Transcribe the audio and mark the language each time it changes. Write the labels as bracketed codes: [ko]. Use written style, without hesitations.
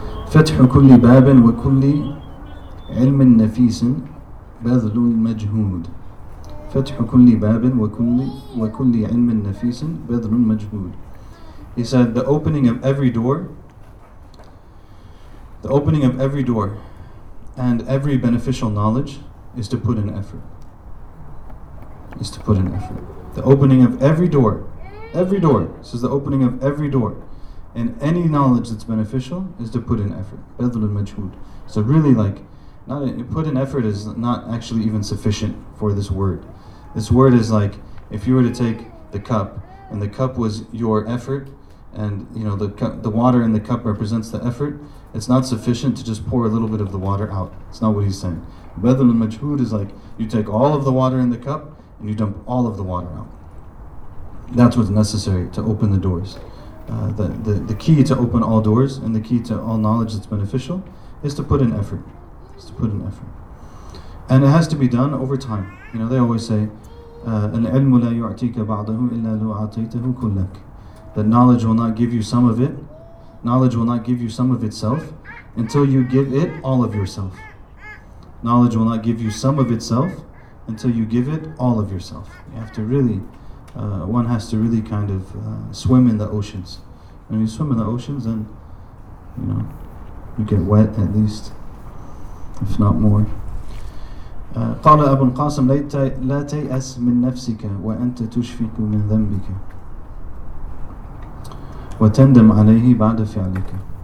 [ar] فتح كل باب وكل علم نفيس بذل مجهود. فتح كل باب وكل علم نفيس بذل مجهود. [en] He said, the opening of every door, the opening of every door, and every beneficial knowledge is to put in effort. Is to put in effort. The opening of every door, this is the opening of every door. And any knowledge that's beneficial is to put in effort. [ar] بَذْلُ الْمَجْهُودِ. [en] So really, like, put in effort is not actually even sufficient for this word. This word is like, if you were to take the cup, and the cup was your effort, and, you know, the water in the cup represents the effort, it's not sufficient to just pour a little bit of the water out. It's not what he's saying. [ar] بَذْلُ الْمَجْهُودِ [en] is like, you take all of the water in the cup, and you dump all of the water out. That's what's necessary to open the doors. The key to open all doors and the key to all knowledge that's beneficial is to put in effort. Is to put in effort, and it has to be done over time. You know, they always say, [ar] "العلم لا يعطيك بعضه إلا لو أعطيته كلك." [en] That knowledge will not give you some of it. Knowledge will not give you some of itself until you give it all of yourself. Knowledge will not give you some of itself until you give it all of yourself. You have to really. One has to really kind of swim in the oceans. When you swim in the oceans, then, you know, you get wet at least, if not more. [ar] قال أبو القاسم لا تيأس من نفسك وأنت تشفق من ذنبك وتندم عليه بعد فعلك.